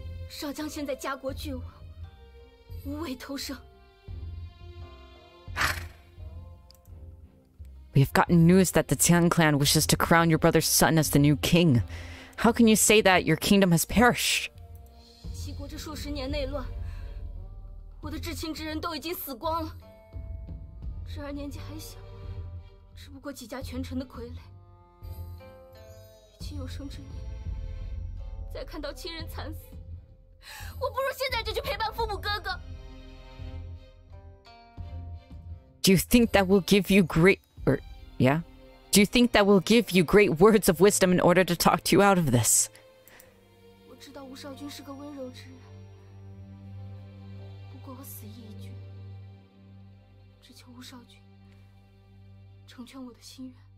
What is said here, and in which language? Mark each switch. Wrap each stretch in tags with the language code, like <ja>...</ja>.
<zh>少将现在家国俱亡，无畏偷生。</zh> <en>We have gotten news that the Tian clan wishes to crown your brother's son as the new king. How can you say that your kingdom has perished?</en> <zh>齐国这数十年内乱，我的至亲之人都已经死光了。侄儿年纪还小，只不过几家权臣的傀儡。与其有生之年再看到亲人惨死，我不如现在就去陪伴父母哥哥。</zh> <en>Do you think that will give you great, or yeah? Do you think that will give you great words of wisdom in order to talk to you out of this?</en> <zh>吴少君是个温柔之人，不过我死意已决，只求吴少君成全我的心愿。</zh>